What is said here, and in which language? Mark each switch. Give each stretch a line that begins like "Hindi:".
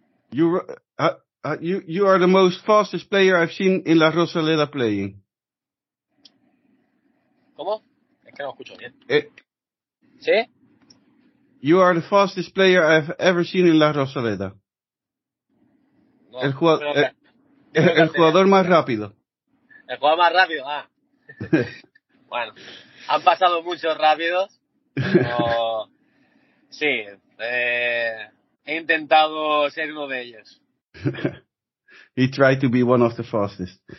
English: You are the most fastest player I've seen in La Rosaleda playing.
Spanish: ¿Cómo? Es que no escucho bien. ¿Sí?
English: You are the fastest player I've ever seen in La Rosaleda.
Spanish: No, el jugador más rápido. El jugador más rápido, Bueno, han pasado muchos rápidos, pero sí, he intentado ser uno de ellos.
English: He tried to be one of the fastest.